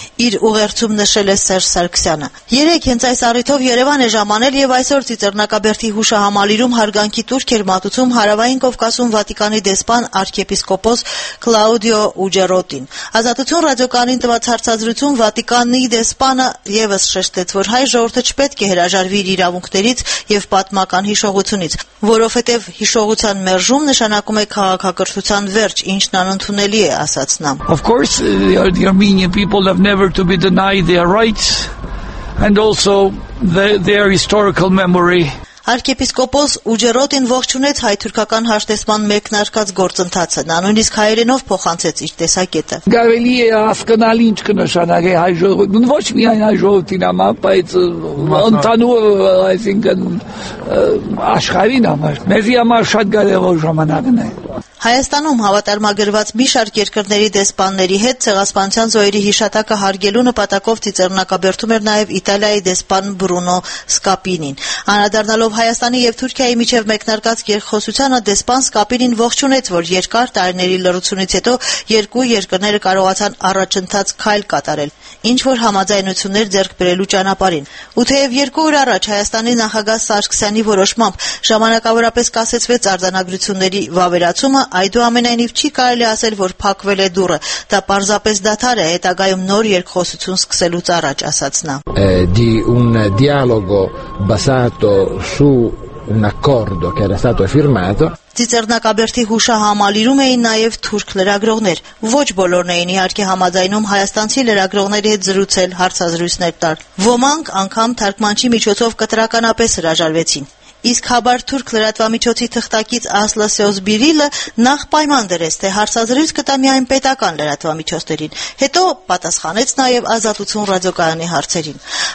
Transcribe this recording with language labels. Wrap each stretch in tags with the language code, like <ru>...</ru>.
<hy>իր ուղերձում նշել է Սերժ Սարգսյանը։ Երեք հենց այս առիթով Երևան է ժամանել և այսօր Ծիծեռնակաբերդի հուշահամալիրում հարգանքի տուրք էր մատուցում Հարավային Կովկասում Վատիկանի դեսպան արքեպիսկոպոս Կլաուդիո Ուջերոտին։ Ազատություն ռադիոկանին տված հարցազրույցում Վատիկանի դեսպանը ևս շեշտեց, որ հայ ժողովուրդը չպետք է հրաժարվի իր իրավունքներից և պատմական հիշողությունից, որովհետև հիշողության մերժում նշանակում է քաղաքակրթության վերջ, ինչն անընդունելի է, ասաց նա։</hy> <en>Of course, the Armenian people have never to be denied their rights and also their historical memory.</en> <hy>Արքեպիսկոպոս Ուջերոտին ողջունեց հայ-թուրքական հաշտեսման մեկնարկած գործընթացը, նա նույնիսկ հայերենով փոխանցեց իր տեսակետը։ Գավելի է հասկանալ, ինչ կնշանակի հայ ժողովուրդը, ոչ միայն հայ ժողովրդին համար, բայց ընդհանուր, այսինքն աշխարհին համար, մեզի համար շատ կարևոր ժամանակն է։ Հայաստանում հավատարմագրված մի շարք երկրների դեսպանների հետ ցեղասպանության զոհերի հիշատակը հարգելու նպատակով ծիծեռնակաբերդում էր նաև Իտալիայի դեսպան Բրունո Սկապինին։ Անդրադառնալով Հայաստանի և Թուրքիայի միջև մեկնարկած երկխոսությանը, դեսպան Սկապինին ողջունեց, որ երկար տարիների լռությունից հետո երկու երկրները կարողացան առաջընթաց քայլ կատարել, ինչ որ համաձայնություններ ձեռք բերելու ճանապարհին։ Ու թեև երկու օր առաջ Հայաստանի նախագահ Սարգսյանի որոշմամբ ժամանակավորապես կասեցվեց արձանագրությունների վավերացում, այդուամենայնիվ չի կարելի ասել, որ փակվել է դուռը, դա պարզապես դադար է հետագայում նոր երկխոսություն սկսելուց առաջ, ասաց նա։</hy> <it>Di un dialogo basato su un accordo che era stato firmato.</it> <hy>Ծիծեռնակաբերդի հուշահամալիրում էին նաև թուրք լրագրողներ, ոչ բոլորն էին իհարկե համաձայնում հայաստանցի լրագրողների հետ զրուցել, հարցազրույցներ տալ, ոմանք անգամ թարգմանչի միջոցով կտրականապես հրաժարվեցին։ Իսկ հաբար թուրք լրատվամիջոցի թղթակից Ասլա Սեոզբիրիլը նախ պայման դրեց, թե հարցազրույց կտա միայն պետական լրատվամիջոցներին, հետո պատասխանեց նաև Ազատություն ռադիոկայանի հարցերին։</hy>